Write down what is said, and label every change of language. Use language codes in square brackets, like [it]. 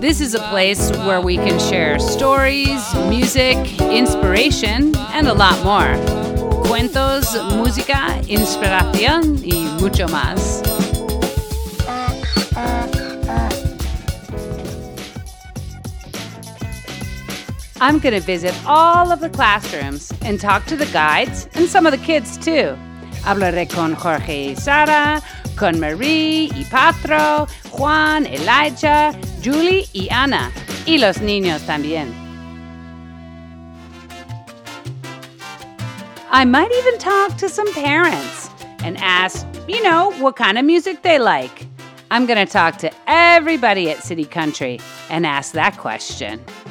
[en] This is a place where we can share stories, music, inspiration, and a lot more. [es] Cuentos, música, inspiración, y mucho más. [en] I'm going to visit all of the classrooms and talk to the guides and some of the kids, too. [es] Hablaré con Jorge y Sara, con Marie y Patro, Juan, Elijah, Julie y Ana, y los niños también. [en] I might even talk to some parents and ask, you know, what kind of music they like. I'm going to talk to everybody at City Country and ask that question.